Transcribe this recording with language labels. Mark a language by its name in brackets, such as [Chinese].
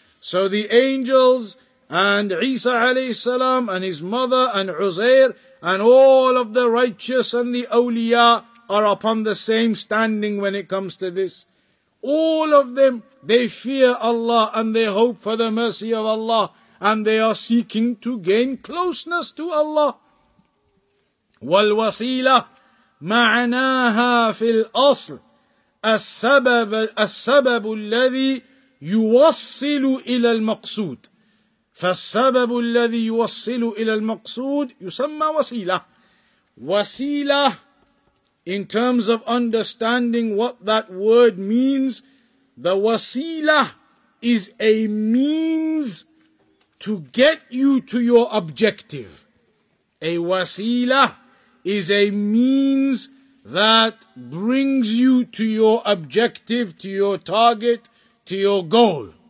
[English] So the angels and Isa alayhi salam and his mother and Uzair and all of the righteous and the awliya are upon the same standing when it comes to this. All of them, they fear Allah and they hope for the mercy of Allah and they are seeking to gain closeness to Allah. [Arabic] والوسيلة معناها في الأصل السبب الذي يوصل إلى المقصود. فالسبب الذي يوصل إلى المقصود يسمى وسيلة. [English] وسيلة, in terms of understanding what that word means, the wasila is a means to get you to your objective. A wasila is a means that brings you to your objective, to your target, to your goal.